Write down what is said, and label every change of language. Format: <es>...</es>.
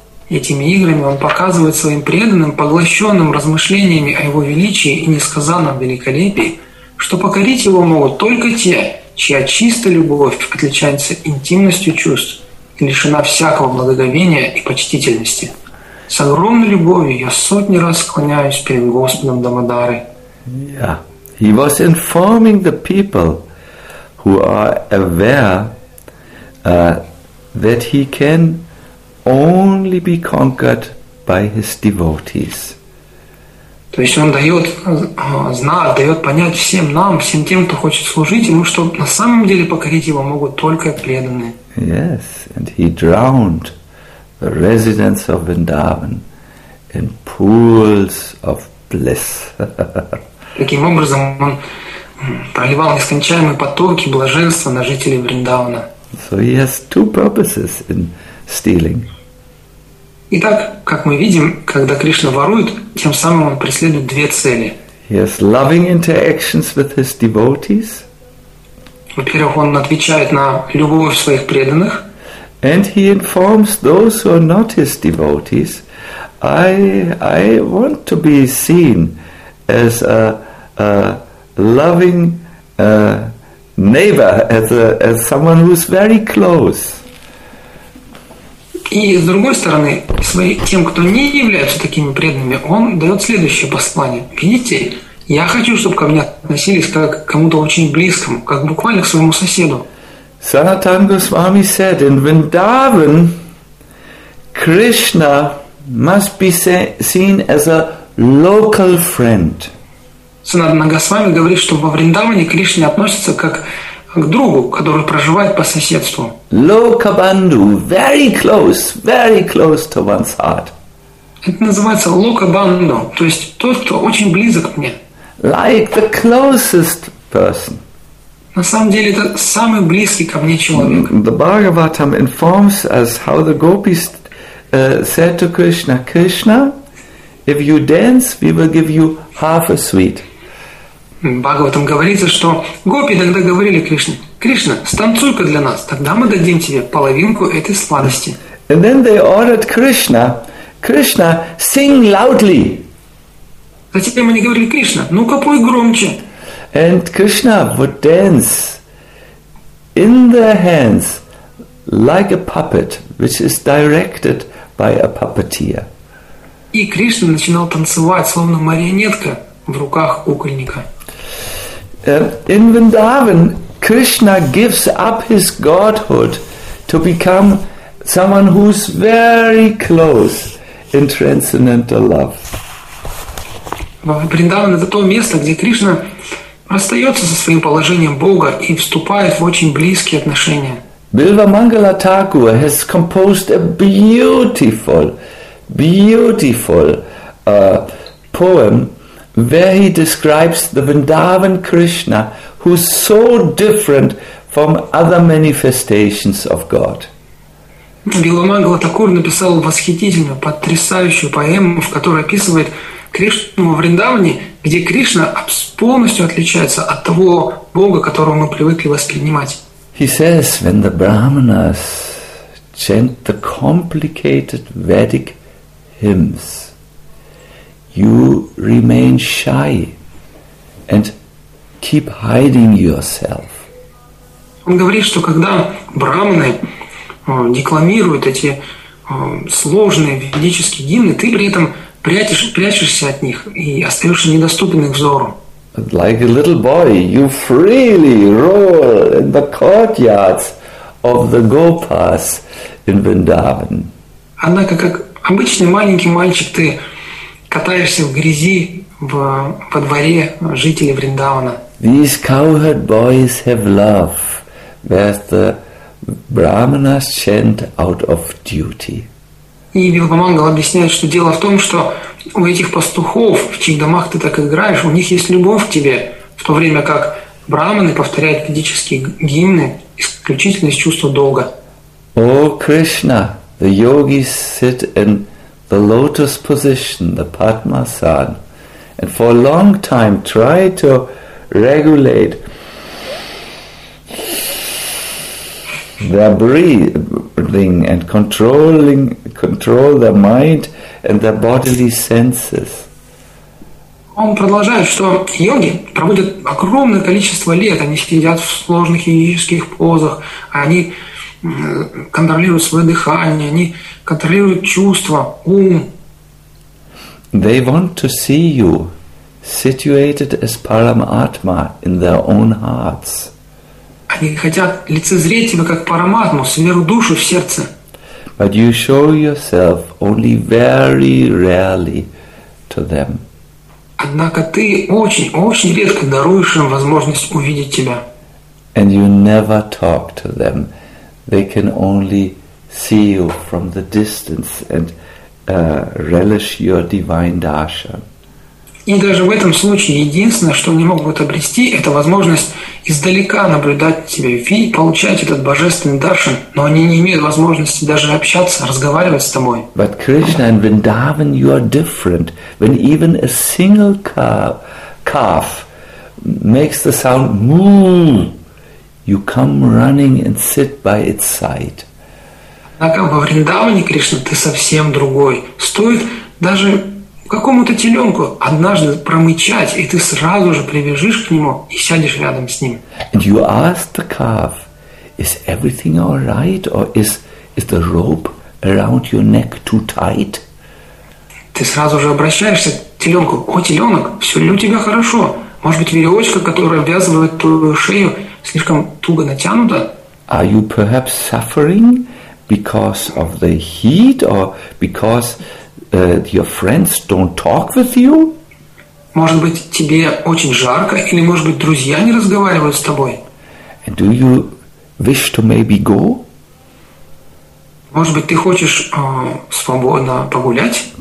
<ru>Этими играми он показывает своим преданным, поглощенным размышлениями о его величии и несказанном великолепии, что покорить его могут только те, чья чистая любовь отличается интимностью чувств, лишена всякого благоговения и почтительности. С огромной любовью я сотни раз склоняюсь перед Господом Дамодары.</ru> <en>Yeah. He was informing the people who are aware that he can only be conquered by his devotees.</en> <ru>То есть он дает знак, дает понять всем нам, всем тем, кто хочет служить ему, что на самом деле покорить его могут только преданные.</ru> <en>Yes, and he drowned the residents of Vrindavan in pools of bliss.</en> <ru>Таким образом, он проливал нескончаемые потоки блаженства на жителей Вриндавана.</ru> <en>So he has two purposes in stealing.</en> <ru>Итак, как мы видим, когда Кришна ворует, тем самым он преследует две цели.</ru> <en>He has loving interactions with his devotees.</en> <ru>Во-первых, он отвечает на любовь своих преданных.</ru> <en>And he informs those who are not his devotees, I want to be seen as a loving neighbor, as someone who's very close.</en> <ru>И с другой стороны, тем, кто не является такими преданными, он дает следующее послание. Видите? Я хочу, чтобы ко мне относились как к кому-то очень близкому, как буквально к своему соседу.</ru> <en>Санатана Госвами said, in Vrindavan, Krishna must be seen as a local friend.</en> <ru>Санатана Госвами говорит, что во Вриндаване Кришна относится как к другу, который проживает по соседству.</ru> <en>Lokabandhu, very close to one's heart.</en> <ru>Это называется Lokabandhu, то есть тот, кто очень близок к мне.</ru> <en>Like the closest person.</en> <ru>На самом деле, это самый близкий ко мне человек.</ru> <en>The Bhagavatam informs us how the gopis said to Krishna, Krishna, if you dance, we will give you half a sweet.</en> <ru>Бхагаватам говорится, что гопи тогда говорили Кришне, Кришна, станцуй-ка для нас, тогда мы дадим тебе половинку этой сладости.</ru> <en>And then they ordered Krishna, Krishna, sing loudly.</en> <ru>Затем они говорили, Кришна, ну-ка пой громче.</ru> <en>And Krishna would dance in their hands like a puppet, which is directed by a puppeteer.</en> <ru>И Кришна начинал танцевать, словно марионетка в руках кукольника.</ru> <en>In Vrindavan, Krishna gives up his godhood to become someone who's very close in transcendental love.</en> <ru>Вриндаван – это то место, где Кришна расстается со своим положением Бога и вступает в очень близкие отношения.</ru> <en>Bilva Mangala Thakur has composed a beautiful, beautiful poem where he describes the Vrindavan Krishna who's so different from other manifestations of God.</en> <ru>Bilva Mangala Thakur написал восхитительную, потрясающую поэму, в которой описывает Кришну во Вриндаване, где Кришна полностью отличается от того Бога, которого мы привыкли воспринимать.</ru> <en>He says, when the Brahmanas chant the complicated Vedic hymns, you remain shy and keep hiding yourself.</en> <ru>Он говорит, что когда брахманы декламируют эти сложные ведические гимны, ты при этом прячешься от них и остаешься недоступным взору.</ru> <en>Like a little boy, you freely roll in the courtyards of the gopas in Vrindavan.</en> <ru>Однако, как обычный маленький мальчик, ты катаешься в грязи во дворе жителей Вриндавана.</ru> <en>These cowherd boys have love, whereas the brahmanas chant out of duty.</en> <ru>И Вилла Мангала объясняет, что дело в том, что у этих пастухов, в чьих домах ты так играешь, у них есть любовь к тебе, в то время как брахманы повторяют ведические гимны исключительно из чувства долга.</ru> <en>О, Кришна, the yogis sit in the lotus position, the Padmasana, and for a long time try to regulate their breathing and control their mind and their bodily senses.</en> <ru>Он продолжает, что йоги проводят огромное количество лет, они сидят в сложных йогических позах, они контролируют свое дыхание, они контролируют чувства, ум.</ru> <en>They want to see you situated as Paramatma in their own hearts.</en> <ru>Они хотят лицезреть тебя как Параматму, сверху душу в сердце.</ru> <en>But you show yourself only very rarely to them.</en> <ru>Однако ты очень-очень редко даруешь им возможность увидеть тебя.</ru> <en>And you never talk to them. They can only see you from the distance and relish your divine darshan.</en> <ru>И даже в этом случае единственное, что они могут обрести, это возможность издалека наблюдать тебя и получать этот божественный даршан, но они не имеют возможности даже общаться, разговаривать с тобой.</ru> <en>But Krishna and Vrindavan, you are different. When even a single calf makes the sound moo, you come running and sit by its side.</en> <ru>Однако во Вриндаване, Кришна, ты совсем другой. Стоит даже какому-то теленку однажды промычать, и ты сразу же прибежишь к нему и сядешь рядом с ним.</ru> <en>And you ask the calf, is everything all right, or is the rope around your neck too tight?</en> <ru>Ты сразу же обращаешься к теленку: о, теленок, все ли у тебя хорошо? Может быть, веревочка, которая обвязывает твою шею, слишком туго натянута?</ru> <en>Are you perhaps suffering because of the heat, or because your friends don't talk with you?</en> <ru>Может быть, тебе очень жарко, или, может быть, друзья не разговаривают с тобой?</ru> <en>And do you wish to maybe go?</en> <ru>Может быть, ты хочешь свободно погулять?</ru>